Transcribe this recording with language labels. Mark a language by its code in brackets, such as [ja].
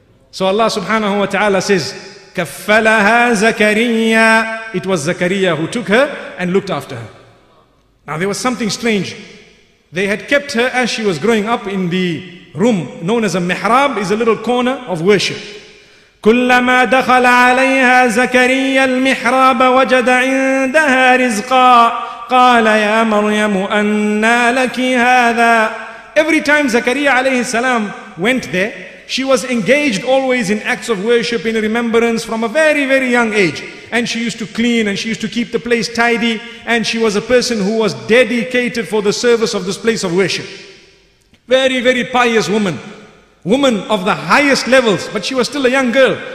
[en] So Allah subhanahu wa ta'ala says, [ar] كَفَّلَهَا زَكَرِيَّا. [en] It was Zakariyyah who took her and looked after her. Now there was something strange. They had kept her as she was growing up in the room known as a mihrab, is a little corner of worship. [ar] كُلَّمَا دَخَلَ عَلَيْهَا زَكَرِيَّا الْمِحْرَابَ وَجَدَ عِنْدَهَا رِزْقًا قَالَ يَا مَرْيَمُ أَنَّا لَكِ هَذَا. [en] Every time Zakariyyah alayhi salam went there, She was engaged always in acts of worship, in remembrance from a very, very young age. And she used to clean and she used to keep the place tidy. And she was a person who was dedicated for the service of this place of worship. Very, very pious woman. Woman of the highest levels, but she was still a young girl.